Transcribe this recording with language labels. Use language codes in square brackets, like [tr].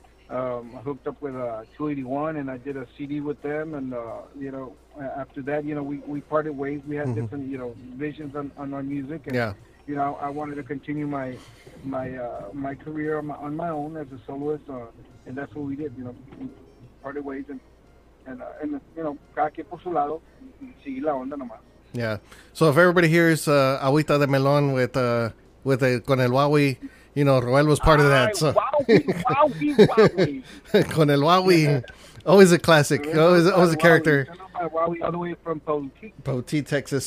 [en] I hooked up with 281, and I did a CD with them. And, you know, after that, you know, we parted ways. We had mm-hmm. different, you know, visions on our music. And, yeah. You know, I wanted to continue my career on my own as a soloist. And that's what we did, you know, we parted ways. And you know, [es] cada quien por su lado, seguir la onda nomás. [en] Yeah. So if everybody hears Agüita de Melón with Con el Wawi, you know, Roel was part of that. So. Wowie. Con el Wawi. Yeah. Always a classic. Always a character. Wowie, all the way from Poti, Texas.